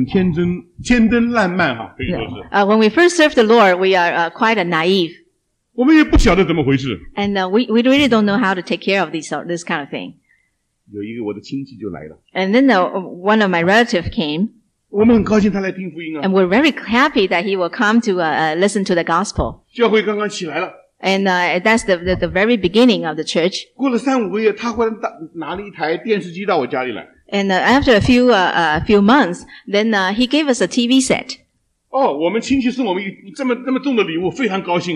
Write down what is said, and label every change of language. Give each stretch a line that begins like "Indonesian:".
Chinese: 你知道弟兄姊妹,我们刚刚开始侍奉主是很天真烂漫啊, 可以说是。
English: When we first serve the Lord, we are quite a naive.
Chinese: 我们也不晓得怎么回事。
English: And we really don't know how to take care of this kind of thing.
Chinese: 有一个我的亲戚就来了。
English: And then one of my relatives came.
Chinese: 我们很高兴他来听福音啊。
English: And we're very happy that he will come to listen to the gospel.
Chinese: 教会刚刚起来了。
English: And that's the very beginning of the church.
Chinese: 过了三五个月,他忽然拿了一台电视机到我家里来。
English: And after a few months, then he gave us a TV set.
Chinese: 哦,我们亲戚送我们这么重的礼物,非常高兴。